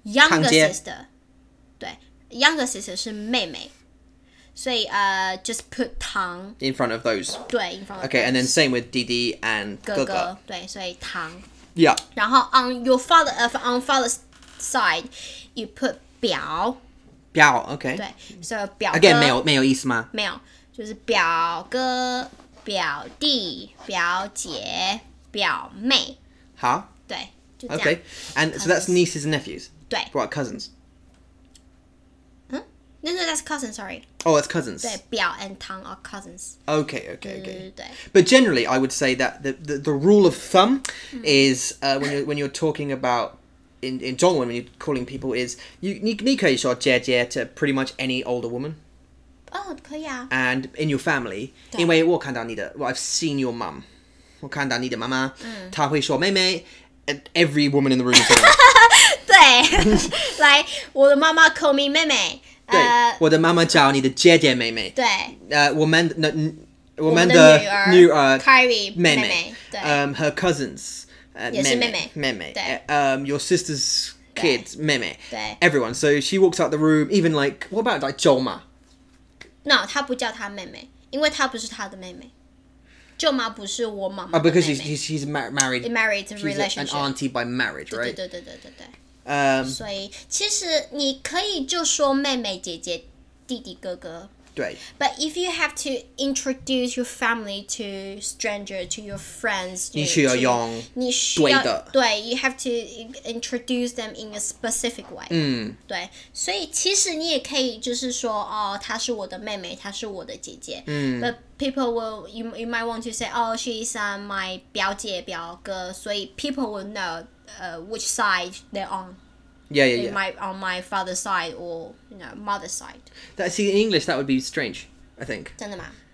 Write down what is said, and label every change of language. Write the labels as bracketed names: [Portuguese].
[English] Younger sister, [Chinese] 对 [English] ，younger sister [Chinese] 是妹妹，所以 [English] just put 堂 in front of those. [Chinese] 对 [English] ，in front. Okay, and then same with 弟弟 and [Chinese] 哥哥。对，所以堂。 [English] Yeah. [Chinese] 然后 [English] on your father, on father's side, you put 表。表 ，okay. [Chinese] 对，所以表哥。 Again, 没有意思吗？没有，就是表哥、表弟、表姐、表妹。好。对。 [English] Okay, and so that's nieces and nephews. [Chinese] 对 [English] What about cousins? No, that's cousins, sorry. Oh, that's cousins. 对表 and 堂 are cousins. Okay. But generally, I would say that the rule of thumb is when you're talking about, in 中文, when you're calling people is, [Chinese] 你可以说姐姐 [English] to pretty much any older woman. [Chinese] Oh, 可以啊 [English] And in your family, [Chinese] 因为我看到你的, [English] well, I've seen your mum. [Chinese] 我看到你的妈妈,她会说妹妹。 [English] Every woman in the room is saying. [Chinese] 对 [English] like, [Chinese] 我的妈妈 [English] call me 妹妹。 [Chinese] 对，我的妈妈叫你的姐姐妹妹。对。我们的女儿 Kyrie 妹妹。 [English] Her cousins [Chinese] 也是妹妹。对。 [English] Your sister's kids 妹妹。 [Chinese] 对。 [English] Everyone, so she walks out the room, even like, what about like 舅妈? [Chinese] No, 她不叫她妹妹，因为她不是她的妹妹。舅妈不是我妈妈的妹妹。 [English] Oh, because she's married. Married relationship. An auntie by marriage, right? [Chinese] 对。所以其实你可以就说妹妹姐姐弟弟哥哥。对。 [English] But if you have to introduce your family to stranger, to your friends, [Chinese] 你需要用你需要对 [English] you have to introduce them in a specific way. [Chinese] 对。所以其实你也可以就是说哦，她是我的妹妹，她是我的姐姐。 [English] But people will, you might want to say, oh, she's my 表姐表哥, so people will know which side they're on. Yeah. On my father's side or, you know, mother's side. See, in English, that would be strange, I think. [Chinese] 真的吗?